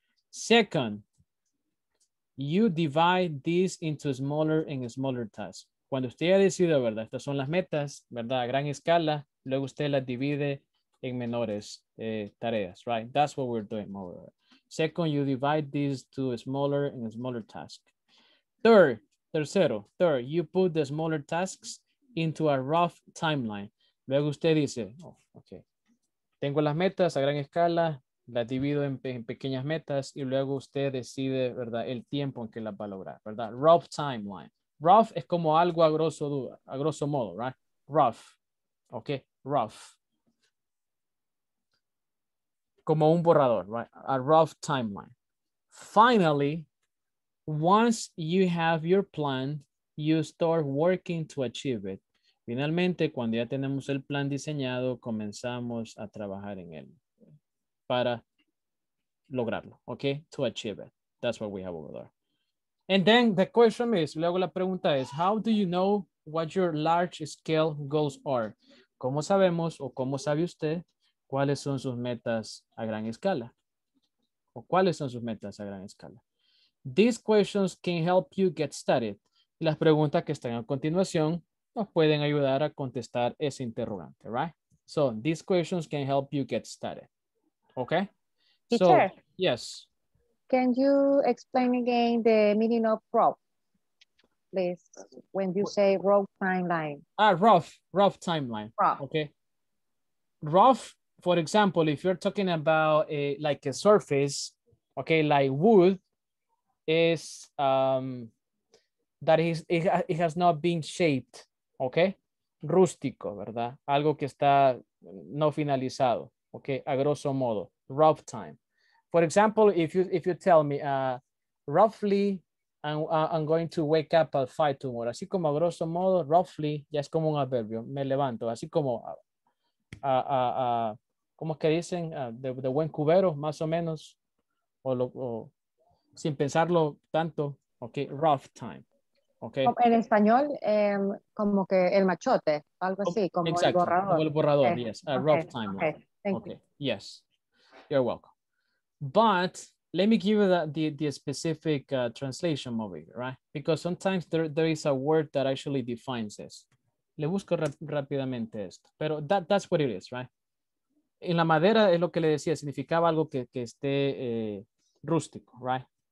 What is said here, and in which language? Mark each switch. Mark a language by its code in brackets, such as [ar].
[en] Second, you divide this into smaller and smaller tasks. [es] Cuando usted ha decidido, ¿verdad? Estas son las metas, ¿verdad? A gran escala, luego usted las divide en menores tareas, right? [en] That's what we're doing more. Second, you divide these to smaller and smaller tasks. Third, you put the smaller tasks into a rough timeline. [es] Luego usted dice, oh, okay, tengo las metas a gran escala, las divido en pequeñas metas y luego usted decide, ¿verdad? El tiempo en que las va a lograr, ¿verdad? Rough timeline. Rough es como algo a grosso modo, right? Rough, okay, rough. Como un borrador, [en] right? A rough timeline. Finally, once you have your plan, you start working to achieve it. [es] Finalmente, cuando ya tenemos el plan diseñado, comenzamos a trabajar en él para lograrlo, okay? [en] To achieve it. That's what we have over there. And then the question is, [es] luego la pregunta es, [en] how do you know what your large scale goals are? [es] ¿Cómo sabemos o cómo sabe usted cuáles son sus metas a gran escala? ¿O cuáles son sus metas a gran escala? [en] These questions can help you get started. [es] Las preguntas que están a continuación nos pueden ayudar a contestar ese interrogante, right? [en] So, these questions can help you get started. Okay? Teacher. So, yes. Can you explain again the meaning of rough, please, when you say rough timeline? Rough timeline. Rough. Okay. Rough, for example, if you're talking about like a surface, okay, like wood, is that is it has not been shaped, okay? [es] Rústico, ¿verdad? Algo que está no finalizado, okay? A grosso modo, [en] rough time. For example, if you tell me roughly I'm going to wake up at 5 tomorrow. [es] Así como a grosso modo, roughly, ya es como un adverbio, me levanto, así como ¿cómo es que dicen? De buen cubero, más o menos, o sin pensarlo tanto, okay, rough time, okay. En español, como que el machote, algo así, como [en] exactly. [es] El borrador. Como el borrador, [en] okay. Yes, a okay. Rough time. Okay, thank okay. You. Yes, you're welcome. But let me give you the specific translation of it, right? Because sometimes there is a word that actually defines this. [es] Le busco rápidamente esto, pero [en] that's what it is, [es] right? En la madera es lo que le decía, significaba algo que esté rústico, right?